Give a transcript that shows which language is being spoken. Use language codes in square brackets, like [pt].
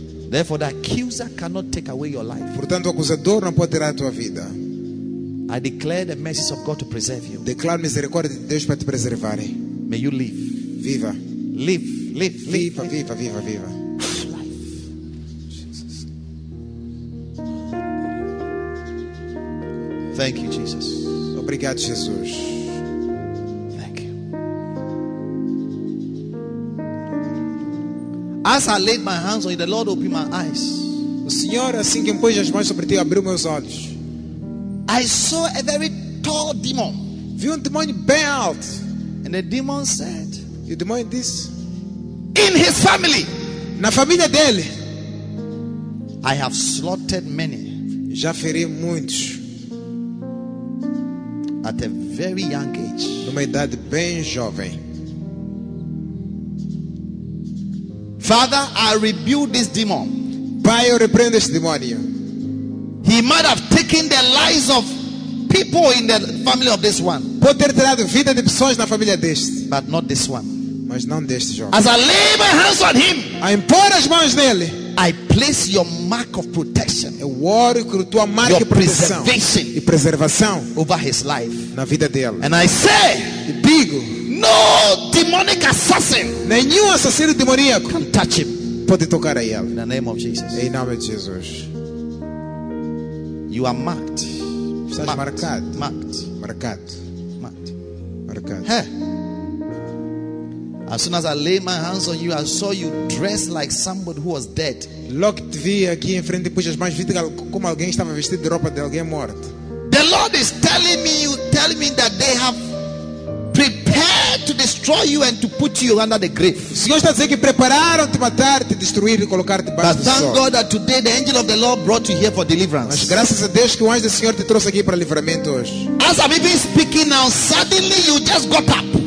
[en] Therefore, the accuser cannot take away your life. [pt] Portanto, o acusador não pode tirar a tua vida. [en] I declare the mercy of God to preserve you. [pt] Declaro misericórdia de Deus para te preservar. [en] May you live. [pt] Viva. [en] Live, live, live. [pt] Viva, viva, viva, viva. [en] Life. Thank you, Jesus. [pt] Obrigado, Jesus. [en] Thank you. As I laid my hands on you, the Lord opened my eyes. [pt] O Senhor, assim que impôs as mãos sobre ti, abriu meus olhos. [en] I saw a very tall demon. [pt] Vi demônio bem alto. [en] And the demon said, "You demon this in his family, [pt] na família dele. [en] I have slaughtered many. [pt] Já feri muitos." [en] At a very young age. [pt] Numa idade bem jovem. [en] Father, I rebuke this demon. [pt] Pai, eu repreendo este demônio. [en] He might have taken the lives of people in the family of this one. [pt] Pode ter tirado vida de pessoas na família deste. [en] But not this one. [pt] Mas não deste jovem. [en] As I lay my hands on him. [pt] A impor as mãos nele. [en] I place your mark of protection. [pt] Eu oro com tua marca de proteção e preservação [en] over his life. [pt] Na vida dele. [en] And I say, [pt] e digo, [en] no demonic assassin. [pt] Nenhum assassino demoníaco [en] can touch him. [pt] Pode tocar a ele. [en] In the name of Jesus. [pt] Em nome de Jesus. [en] You are marked. [pt] Estás marked. Marcado. [en] Marked. [pt] Marcado. [en] Marked. [pt] Marcado. [en] Hey. As soon as I lay my hands on you, I saw you dressed like somebody who was dead. [pt] Logo te vi aqui em frente e puxas mais vida como alguém estava vestido de roupa de alguém morto. [en] The Lord is telling me, you tell me that they have prepared to destroy you and to put you under the grave. [pt] O Senhor está dizendo que prepararam te matar, te destruir e colocar te debaixo do sol. [en] But thank God that today the angel of the Lord brought you here for deliverance. [pt] Mas graças a Deus que o anjo do Senhor te trouxe aqui para livramento hoje. [en] As I'm even speaking now, suddenly you just got up.